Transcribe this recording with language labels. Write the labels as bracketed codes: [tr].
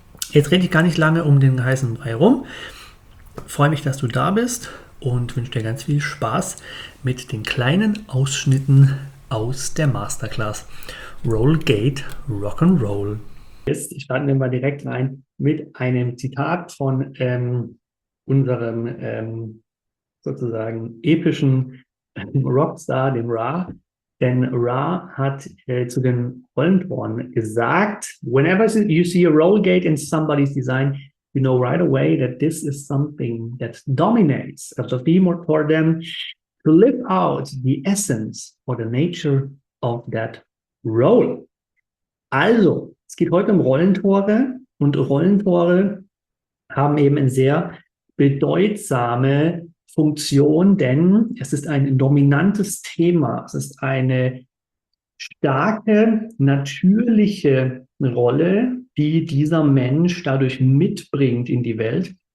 [de] Jetzt rede ich gar nicht lange um den heißen Brei rum. Freue mich, dass du da bist und wünsche dir ganz viel Spaß mit den kleinen Ausschnitten aus der Masterclass Rollgate Rock'n'Roll. Ich starte mal direkt rein mit einem Zitat von unserem sozusagen epischen Rockstar, dem Ra. Denn Ra hat zu den Rollentoren gesagt, [en] whenever you see a roll gate in somebody's design, you know right away that this is something that dominates as a theme for them to live out the essence or the nature of that role. [de] Also, es geht heute um Rollentore und Rollentore haben eben eine sehr bedeutsame Funktion, denn es ist ein dominantes Thema. Es ist eine starke, natürliche Rolle, die dieser Mensch dadurch mitbringt in die Welt.